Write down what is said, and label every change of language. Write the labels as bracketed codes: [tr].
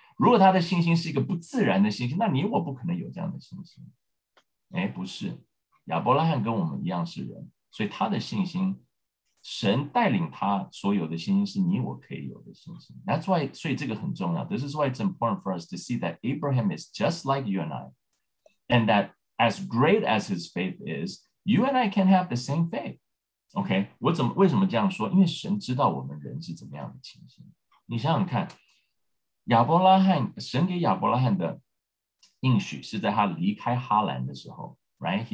[zh] 如果他的信心是一个不自然的信心，那你我不可能有这样的信心。不是，亚伯拉罕跟我们一样是人，所以他的信心神带领他所有的信心是你我可以有的信心。 [en] That's why, [zh] 所以这个很重要。 [en] This is why it's important for us to see that Abraham is just like you and I. And that as great as his faith is, you and I can have the same faith. Okay, [zh] 为什么这样说？因为神知道我们人是怎么样的情形。你想想看，亚伯拉罕，神给亚伯拉罕的应许是在他离开哈兰的时候， [en] right?